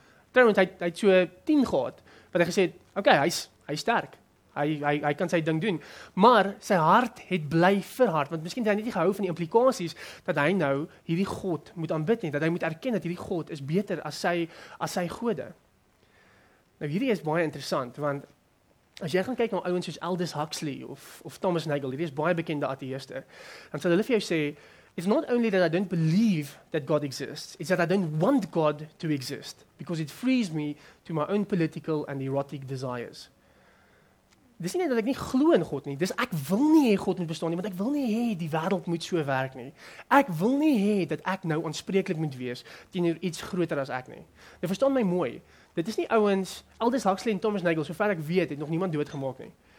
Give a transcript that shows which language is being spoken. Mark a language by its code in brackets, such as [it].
[af] Trouwens, hy het so 10 gehad wat hy gesê het, okay, hy's sterk. Hy kan sy ding doen, maar sy hart het bly verhard, want miskien het hy net nie gehou van die implikasies dat hy nou hierdie God moet aanbid nie, dat hy moet erken dat hierdie God is beter as sy gode. Nou hierdie is baie interessant, want as jy gaan kyk na ouens soos Aldous Huxley of Thomas Nagel, hierdie is baie bekende ateëste, dan sal hulle vir jou sê, [en] it's not only that I don't believe that God exists, it's that I don't want God to exist, because it frees me to my own political and erotic desires. [af] Dis nie net dat ek nie glo in God nie, dis ek wil nie hê God moet bestaan nie, want ek wil nie hê die wêreld moet so werk nie. Ek wil nie hê dat ek nou aanspreeklik moet wees teenoor iets groter as ek nie. Jy verstaan my mooi. Dit is nie ouens, Aldous Huxley en Thomas Nagel, sover ek weet, het nog niemand doodgemaak nie.